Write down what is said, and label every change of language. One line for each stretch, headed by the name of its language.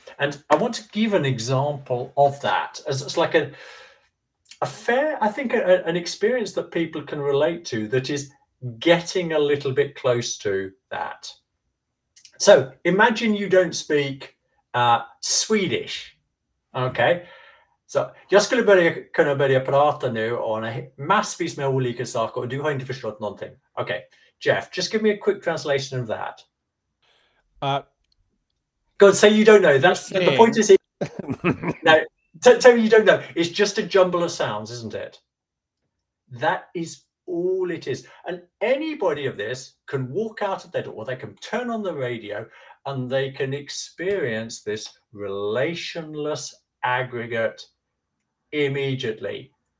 English: And I want to give an example of that. It's an experience that people can relate to that is getting a little bit close to that. So imagine you don't speak Swedish, okay?
Swedish: So jag skulle börja kunna börja prata nu om massvis med olika saker och du har inte förstått någonting.
English: Okay, Jeff, just give me a quick translation of that. God, say you don't know. That's the point. Is it? No, tell me you don't know. It's just a jumble of sounds, isn't it? That is all it is. And anybody of this can walk out of their door, or they can turn on the radio, and they can experience this relationless aggregate immediately.